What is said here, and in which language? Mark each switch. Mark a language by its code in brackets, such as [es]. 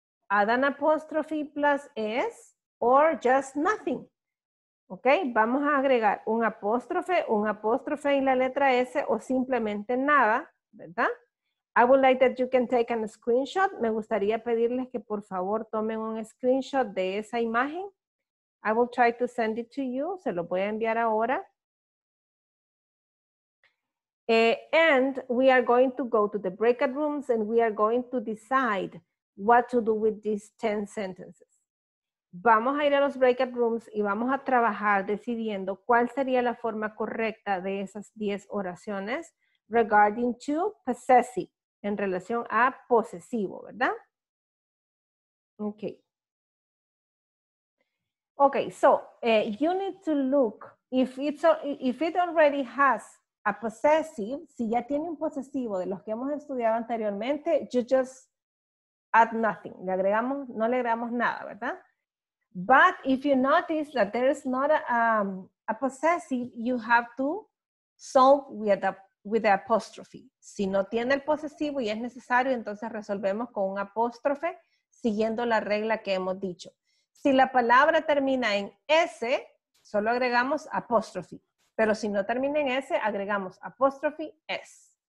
[en] Add an apostrophe plus S, or just nothing. [es] Ok, vamos a agregar un apóstrofe y la letra S, o simplemente nada, ¿verdad? [en] I would like that you can take a screenshot. [es] Me gustaría pedirles que por favor tomen un screenshot de esa imagen. [en] I will try to send it to you. [es] Se lo voy a enviar ahora. [en] And we are going to go to the breakout rooms and we are going to decide what to do with these 10 sentences. [es] Vamos a ir a los breakout rooms y vamos a trabajar decidiendo cuál sería la forma correcta de esas 10 oraciones [en] regarding to possessive, [es] en relación a posesivo, ¿verdad? [en] Okay. Okay, so you need to look if it already has a possessive, [es] si ya tiene un posesivo de los que hemos estudiado anteriormente, [en] you just add nothing. [es] No le agregamos nada, ¿verdad? [en] But if you notice that there is not a possessive, you have to solve with the apostrophe. [es] Si no tiene el posesivo y es necesario, entonces resolvemos con un apóstrofe siguiendo la regla que hemos dicho. Si la palabra termina en S, solo agregamos apóstrofe. Pero si no termina en S, agregamos apóstrofe S.